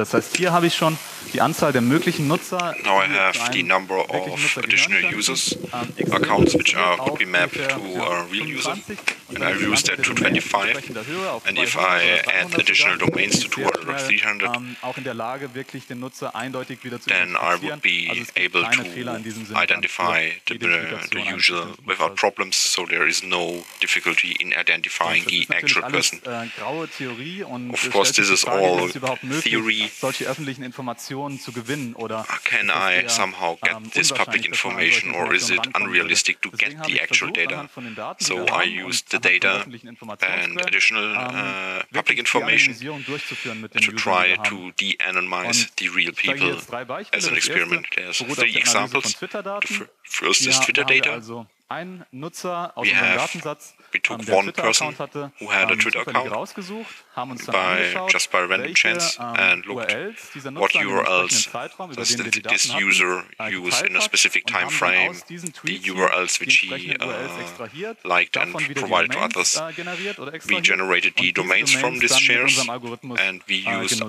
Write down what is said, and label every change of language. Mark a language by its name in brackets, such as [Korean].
[German] Das heißt, hier habe ich schon die Anzahl der möglichen Nutzer. [English] Now I have the number of additional users, accounts which would be mapped to a real user, and I reduce that to 25, and if I add additional domains to 200 or 300, [German] auch in der Lage, wirklich den Nutzer eindeutig wieder zu [English] then I would be able to identify the user without problems, so there is no difficulty in identifying the actual person. Of course, this is all theory. Can I somehow get this public information, or is it unrealistic to get the actual data? So I used the data and additional public information to try to de-anonymize the real people as an experiment. There's three examples. First is Twitter data. [German] Ein Nutzer aus unserem Datensatz, der einen Twitter-Account hatte, haben uns zufällig rausgesucht, haben uns dann angeschaut, welche URLs dieser Nutzer in einem Zeitraum, über den wir die Daten hatten, gefeilt hat, und haben aus diesen Tweets die entsprechenden URLs extrahiert, davon wieder die Domains generiert oder extrahiert, und diese Domains dann in unserem Algorithmus genutzt.